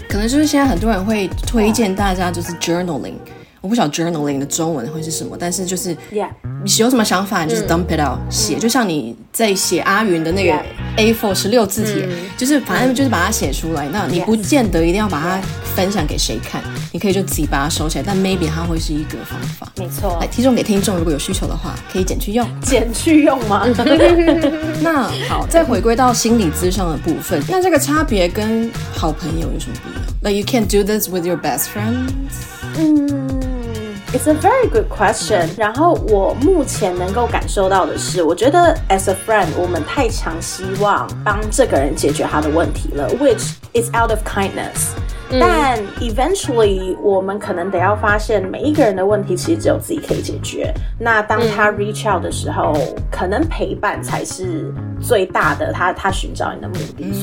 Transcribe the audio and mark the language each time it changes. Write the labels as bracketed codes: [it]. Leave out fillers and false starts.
[zh] 可能就是现在很多人会推荐大家就是 journaling，我不晓得 journaling 的中文会是什么，但是就是你有什么想法就是 [en] dump it out [zh] 写，就像你在写阿云的那个 A4 16字帖，就是反正就是把它写出来，那你不见得一定要把它分享给谁看，你可以就自己把它收起来，但 maybe 它会是一个方法，没错，来提供给听众，如果有需求的话可以捡去用，捡去用吗？那好，再回归到心理咨商的部分，那这个差别跟好朋友有什么不一样？ [en] Like you can't do this with your best friends。 It's a very good question. [zh] 然后我目前能够感受到的是，我觉得 [en] as a friend, [zh] 我们太常希望帮这个人解决他的问题了， [en] which is out of kindness. [zh] 但 eventually 我们可能得要发现每一个人的问题其实只有自己可以解决，那当他 [en] reach out [zh] 的时候，可能陪伴才是最大的他寻找你的目的。